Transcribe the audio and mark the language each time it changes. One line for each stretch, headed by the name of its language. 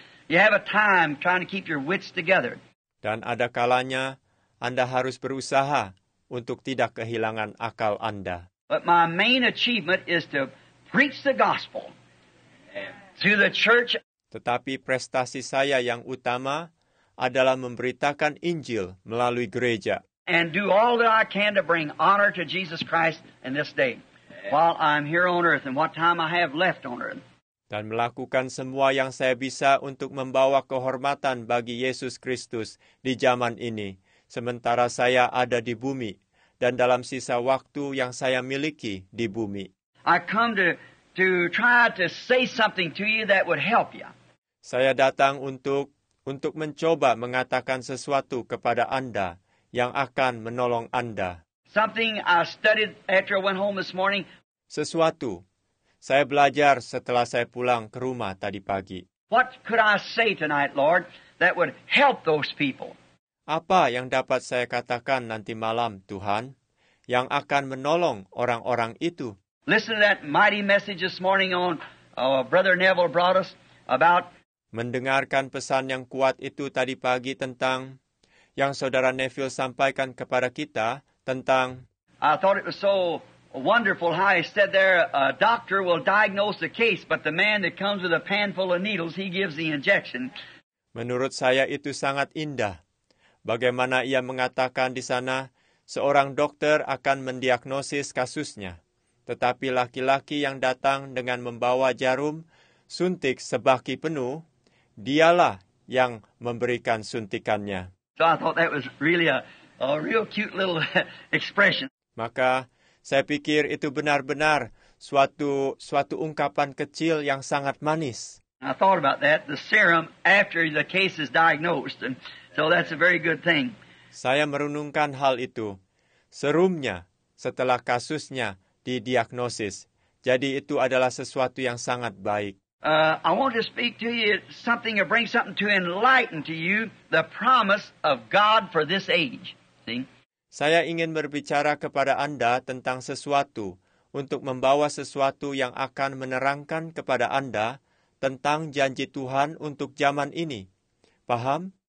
English: You have a time trying to keep your wits together.
Indonesian: Dan ada kalanya, Anda harus berusaha untuk tidak kehilangan akal Anda.
English: But my main achievement is to preach the gospel. To the church.
Indonesian: Tetapi prestasi saya yang utama adalah memberitakan Injil melalui gereja.
English: And do all that I can to bring honor to Jesus Christ in this day while I'm here on earth and what time I have left on earth.
Indonesian: Dan melakukan semua yang saya bisa untuk membawa kehormatan bagi Yesus Kristus di zaman ini sementara saya ada di bumi dan dalam sisa waktu yang saya miliki di bumi.
English: I come to try to say something to you that would help you.
Indonesian: Saya datang untuk mencoba mengatakan sesuatu kepada Anda yang akan menolong Anda.
English: Something I studied after I went home this morning.
Indonesian: Sesuatu saya belajar setelah saya pulang ke rumah tadi pagi.
English: What could I say tonight, Lord, that would help those people?
Indonesian: Apa yang dapat saya katakan nanti malam, Tuhan, yang akan menolong orang-orang itu?
English: Listen to that mighty message this morning on Brother Neville brought us about.
Indonesian: Mendengarkan pesan yang kuat itu tadi pagi tentang yang Saudara Neville sampaikan kepada kita tentang.
English: I thought it was so wonderful how he said there a doctor will diagnose the case, but the man that comes with a pan full of needles, he gives the injection.
Indonesian: Menurut saya itu sangat indah. Bagaimana ia mengatakan di sana, seorang dokter akan mendiagnosis kasusnya. Tetapi laki-laki yang datang dengan membawa jarum, suntik sebaki penuh, dialah yang memberikan suntikannya.
English: So I thought that was really a real cute little expression.
Indonesian: Maka saya pikir itu benar-benar suatu ungkapan kecil yang sangat manis.
English: I thought about that, the serum after the case is diagnosed, and so that's a very good thing.
Indonesian: Saya merenungkan hal itu, serumnya setelah kasusnya didiagnosis. Jadi itu adalah sesuatu yang sangat baik.
English: I want to speak to you something or bring something to enlighten to you the promise of God for this age. See?
Indonesian: Saya ingin berbicara kepada Anda tentang sesuatu untuk membawa sesuatu yang akan menerangkan kepada Anda tentang janji Tuhan untuk zaman ini. Paham?